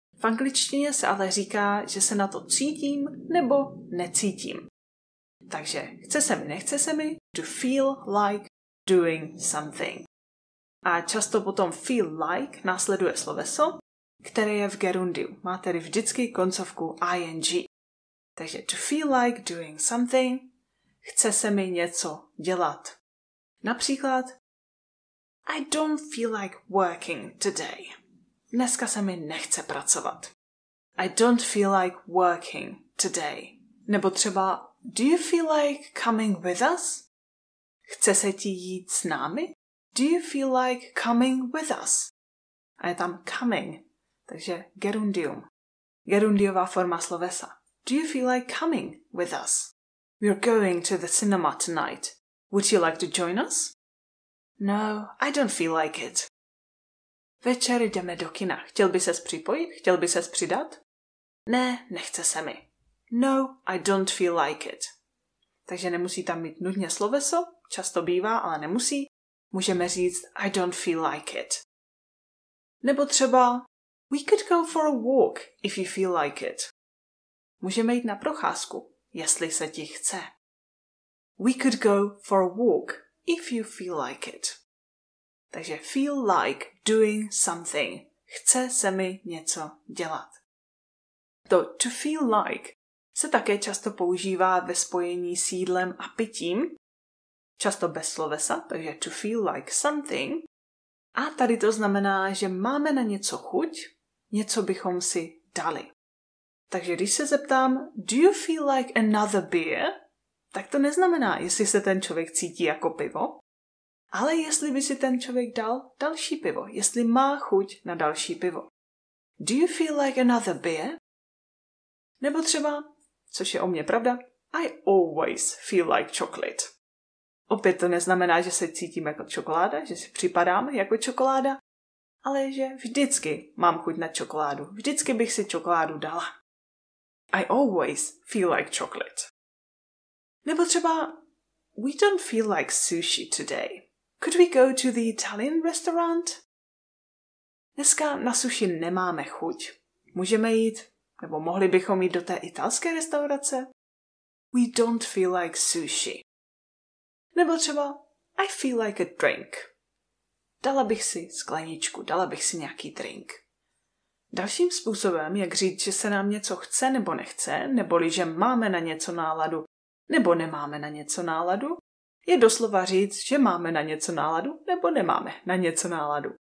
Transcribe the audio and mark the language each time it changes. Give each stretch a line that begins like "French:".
Czech: V angličtině se ale říká, že se na to cítím nebo necítím. Takže chce se mi, nechce se mi,
English: to feel like doing something.
Czech: A často potom feel like následuje sloveso, které je v gerundiu. Má tedy vždycky koncovku ing. Takže
English: to feel like doing something.
Czech: Chce se mi něco dělat. Například
English: I don't feel like working today.
Czech: Dneska se mi nechce pracovat.
English: I don't feel like working today.
Czech: Nebo třeba
English: Do you feel like coming with us?
Czech: Chce se ti jít s námi?
English: Do you feel like coming with us?
Czech: A je tam coming, takže gerundium. Gerundiová forma slovesa.
English: Do you feel like coming with us? We're going to the cinema tonight. Would you like to join us? No, I don't feel like it.
Czech: Večer jdeme do kina. Chtěl by ses připojit? Chtěl by ses přidat? Ne, nechce se mi.
English: No, I don't feel like it.
Czech: Takže nemusí tam mít nutně sloveso. Často bývá, ale nemusí. Můžeme říct
English: I don't feel like it.
Czech: Nebo třeba
English: We could go for a walk if you feel like it.
Czech: Můžeme jít na procházku. Jestli se ti chce.
English: We could go for a walk, if you feel like it. Takže feel like doing something.
Czech: Chce se mi něco dělat. To
English: to feel like
Czech: se také často používá ve spojení s jídlem a pitím. Často bez slovesa, takže
English: to feel like something.
Czech: A tady to znamená, že máme na něco chuť, něco bychom si dali. Takže když se zeptám,
English: do you feel like another beer?
Czech: Tak to neznamená, jestli se ten člověk cítí jako pivo, ale jestli by si ten člověk dal další pivo, jestli má chuť na další pivo.
English: Do you feel like another beer?
Czech: Nebo třeba, což je o mě pravda,
English: I always feel like chocolate.
Czech: Opět to neznamená, že se cítím jako čokoláda, že si připadám jako čokoláda, ale že vždycky mám chuť na čokoládu, vždycky bych si čokoládu dala.
English: I always feel like chocolate.
Czech: Nebo třeba
English: We don't feel like sushi today. Could we go to the Italian restaurant?
Czech: Dneska na sushi nemáme chuť. Můžeme jít, nebo mohli bychom jít do té italské restaurace?
English: We don't feel like sushi.
Czech: Nebo třeba
English: I feel like a drink.
Czech: Dala bych si skleničku, dala bych si nějaký drink. Dalším způsobem, jak říct, že se nám něco chce nebo nechce, neboli že máme na něco náladu, nebo nemáme na něco náladu, je doslova říct, že máme na něco náladu, nebo nemáme na něco náladu.